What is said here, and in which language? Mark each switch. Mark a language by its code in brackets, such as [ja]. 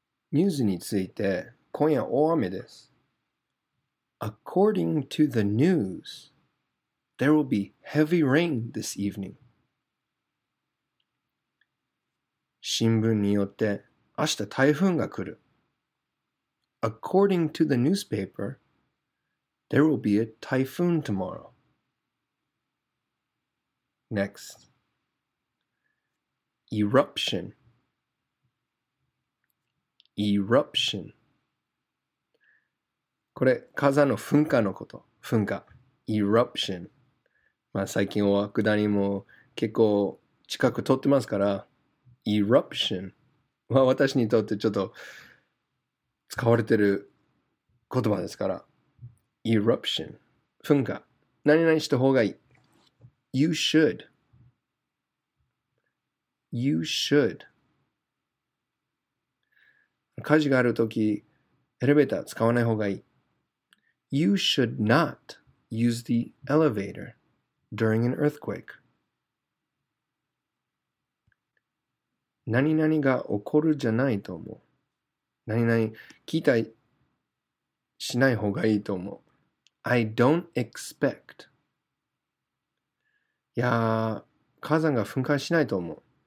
[ja] ニュースについて、今夜大雨です。 [en] According to the news. There will be heavy rain this evening. [ja] 新聞によって明日台風が来る。 [en] According to the newspaper, there will be a typhoon tomorrow. Next. Eruption. Eruption. [ja] これ火山の噴火のこと。噴火。 Eruption. まあ、最近大涌谷も結構近く通ってますから Eruption は私にとってちょっと使われてる言葉ですから Eruption 噴火何々した方がいい [en] You should You should [ja] 火事があるときエレベーター使わない方がいい [en] You should not use the elevatorDuring an earthquake. [ja] 何々が起こるじゃないと思う。何々期待しない方がいいと思う。 [en] I don't expect. [ja] いや、火山が噴火しないと思う。